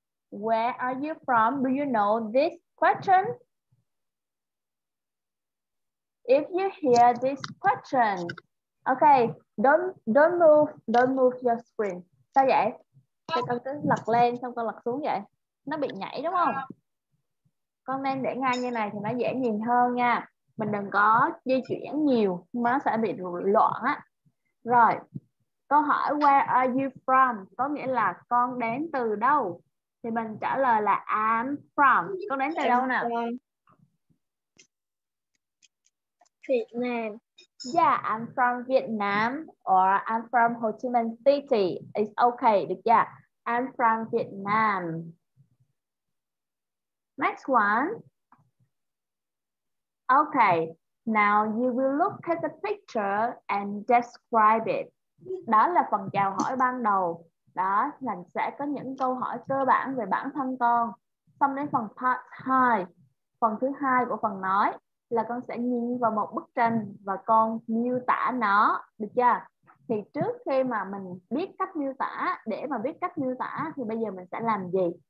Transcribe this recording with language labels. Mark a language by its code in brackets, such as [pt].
[en] Where are you from? Do you know this question? If you hear this question, okay, don't move your screen. [vi] Sao vậy? Thì con cứ lật lên xong con lật xuống vậy. Nó bị nhảy đúng không? Con nên để ngay như này thì nó dễ nhìn hơn nha. Mình đừng có di chuyển nhiều, nó sẽ bị loạn á. Rồi, câu hỏi [en] where are you from? [vi] Có nghĩa là con đến từ đâu? Thì mình trả lời là [en] I'm from. [vi] Con đến từ đâu nè? Việt Nam. [en] Yeah, I'm from Vietnam or I'm from Ho Chi Minh City. It's okay, [vi] được chưa? [en] I'm from Vietnam. Next one. Okay, now you will look at the picture and describe it. [vi] Đó là phần chào hỏi ban đầu. Đó, mình sẽ có những câu hỏi cơ bản về bản thân con. Xong đến phần part 2, phần thứ 2 của phần nói là con sẽ nhìn vào một bức tranh và con miêu tả nó, được chưa? Thì trước khi mà mình biết cách miêu tả, để mà biết cách miêu tả thì bây giờ mình sẽ làm gì?